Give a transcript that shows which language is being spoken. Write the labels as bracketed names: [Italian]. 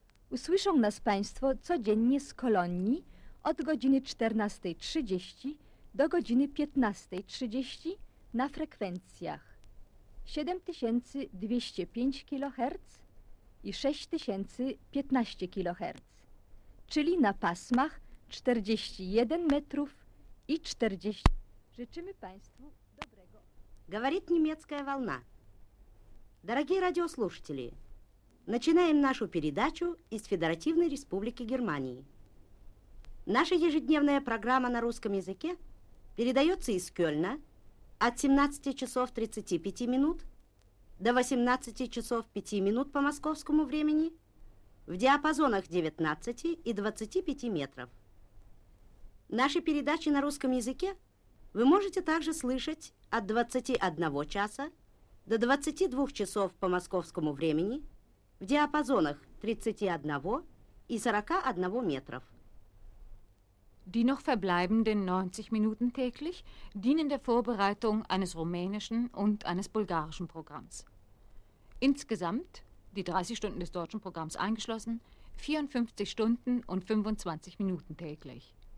[Polish] Usłyszą nas państwo codziennie z Kolonii od godziny 14.30 do godziny 15.30 na frekwencjach 7205 kHz i 6015 kHz, czyli na pasmach 41 metrów i 40. Życzymy państwu dobrego. [Russian] Говорит немецкая волна. Дорогие радиослушатели, начинаем нашу передачу из Федеративной Республики Германии. Наша ежедневная программа на русском языке передается из Кёльна от 17 часов 35 минут до 18 часов 5 минут по московскому времени в диапазонах 19 и 25 метров. Наши передачи на русском языке вы можете также слышать от 21 часа до 22 часов по московскому времени в диапазонах 31 и 41 метров. [German] Die noch verbleibenden 90 Minuten täglich dienen der Vorbereitung eines rumänischen und eines bulgarischen Programms. Insgesamt, die 30 Stunden des deutschen Programms eingeschlossen, 54 Stunden und 25 Minuten täglich.